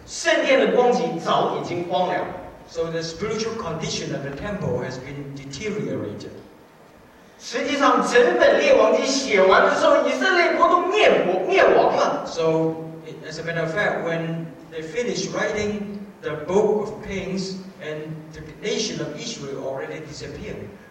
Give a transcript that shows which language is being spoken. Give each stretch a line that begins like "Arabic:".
Chinese: 圣殿的光景早已经荒凉。
English: So the spiritual condition of the temple has been deteriorated.
Chinese: 实际上，整本列王记写完的时候，以色列国都灭亡了。
English: So, as a matter of fact, when they finished writing the book of Kings, and the nation of Israel already disappeared.